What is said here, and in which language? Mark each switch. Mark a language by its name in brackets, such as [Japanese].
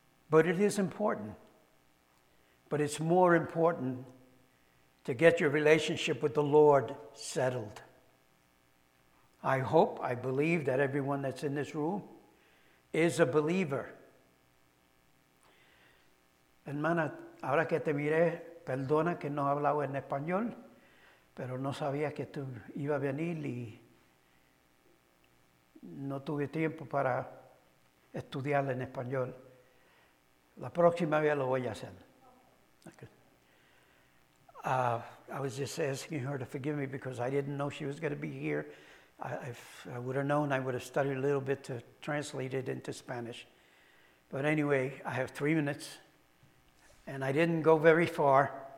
[English] But it is important. But it's more important to get your relationship with the Lord settled. I hope, I believe that everyone that's in this room is a believer. [Spanish] Hermana, ahora que te miré, perdona que no hablaba en español, pero no sabía que tú iba a venir y no tuve tiempo para estudiar en español. La próxima vez lo voy a hacer. [English] Okay. I was just asking her to forgive me because I didn't know she was going to be here. If I would have known, I would have studied a little bit to translate it into Spanish. But anyway, I have 3 minutes, and I didn't go very far.